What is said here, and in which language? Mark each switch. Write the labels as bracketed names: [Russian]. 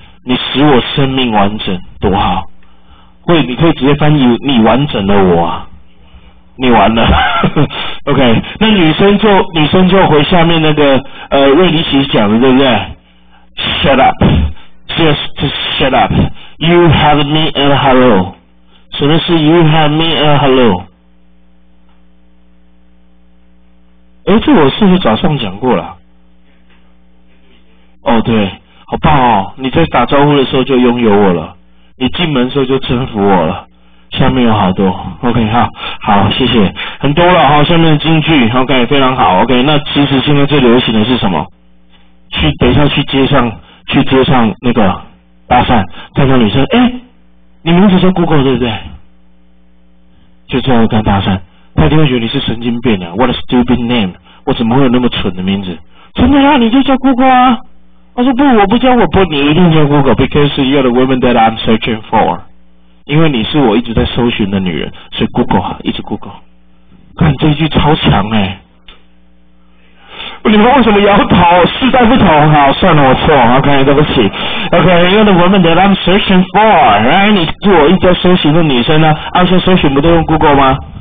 [Chinese] 你使我生命完整，多好！会，你可以直接翻译，你完整了我啊！你完了。 OK， 那女生就回下面那个瑞迪奇讲的，对不对 ？ [English] Shut up。 Just shut up. You have me and hello. [Chinese] 什么是 [English] you have me and hello？ [Chinese] 哎，这我是不是早上讲过了？哦，对，好棒哦！你在打招呼的时候就拥有我了，你进门的时候就征服我了。下面有好多 ，OK， 好，谢谢，很多了哈、哦。下面的金句 ，OK， 非常好 ，OK。那其实现在最流行的是什么？去，等一下去街上。去街上那个搭讪，看到女生，哎，你名字叫 Google 对不对？就这样跟搭讪，他一定会觉得你是神经病啊 ！ [English] What a stupid name！ [Chinese] 我怎么会有那么蠢的名字？真的啊，你就叫 Google 啊！我说不，我不叫，我不，你一定叫 Google， [English] because you're the woman that I'm searching for。 [Chinese] 因为你是我一直在搜寻的女人，所以 Google 啊，一直 Google。看这一句超强哎！你们为什么摇头？世代不同，好，算了，我错 ，OK， 对不起 ，OK， [English] you're the woman that I'm searching for， [Chinese] 哎，你是我一直搜寻的女生呢，按说搜寻不都用 Google 吗？